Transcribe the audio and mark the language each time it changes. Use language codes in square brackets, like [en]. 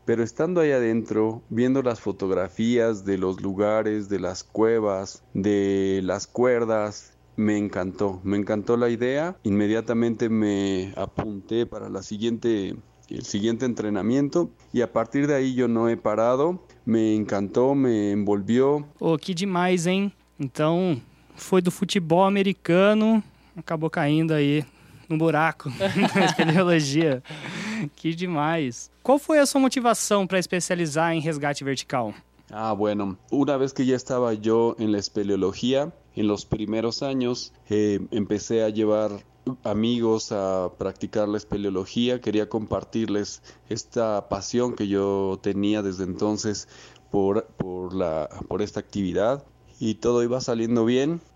[es] Pero estando ahí adentro, viendo las fotografías de los lugares, de las cuevas, de las cuerdas, me encantó la idea. Inmediatamente me apunté para la siguiente, el siguiente entrenamiento, y a partir de ahí yo no he parado. Me encantó, me envolvió. [pt] Oh, que demais, hein? Então, foi do futebol americano, acabou caindo aí no buraco da espeleologia. Que demais. Qual foi a sua motivação para especializar em resgate vertical? [es] Ah, bueno, una vez que ya estaba yo en la espeleología, en los primeros años, empecé a llevar amigos a practicar la espeleología. Quería compartirles esta pasión que yo tenía desde entonces por esta actividad, y todo iba saliendo bien.